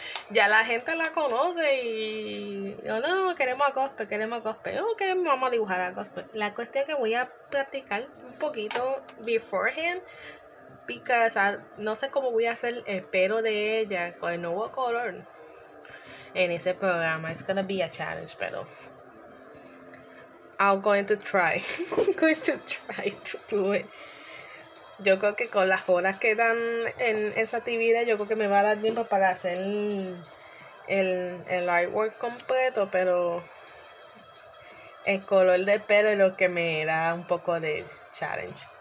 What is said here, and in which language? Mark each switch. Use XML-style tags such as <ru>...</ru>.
<es>ya la gente la conoce y yo, no, no, queremos a Cosper, queremos a Cosper. Ok, vamos a dibujar a Cosper. La cuestión es que voy a practicar un poquito beforehand, porque, o sea, no sé cómo voy a hacer el pelo de ella con el nuevo color en ese programa.</es> <en>It's gonna be a challenge, pero I'm going to try. I'm going to try to do it.</en> <es>Yo creo que con las horas que dan en esa actividad, yo creo que me va a dar tiempo para hacer el artwork completo, pero el color de pelo es lo que me da un poco de challenge.</es>